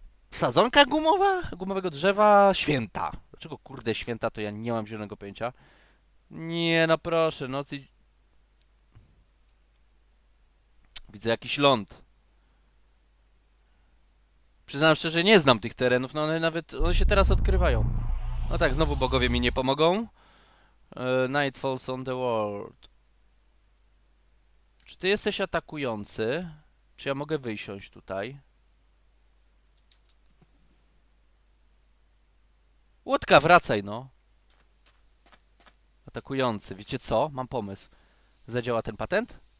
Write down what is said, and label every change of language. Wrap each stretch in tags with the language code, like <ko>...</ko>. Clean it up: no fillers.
<pl>Sadzonka gumowa? Gumowego drzewa? Święta. Dlaczego kurde święta, to ja nie mam zielonego pojęcia. Nie, no proszę, nocy... Widzę jakiś ląd. Przyznam szczerze, nie znam tych terenów, no one nawet, one się teraz odkrywają. No tak, znowu bogowie mi nie pomogą.</pl> <en>Night falls on the world.</en> <pl>Czy ty jesteś atakujący? Czy ja mogę wysiąść tutaj? Łódka, wracaj, no. Atakujący, wiecie co? Mam pomysł. Zadziała ten patent?</pl>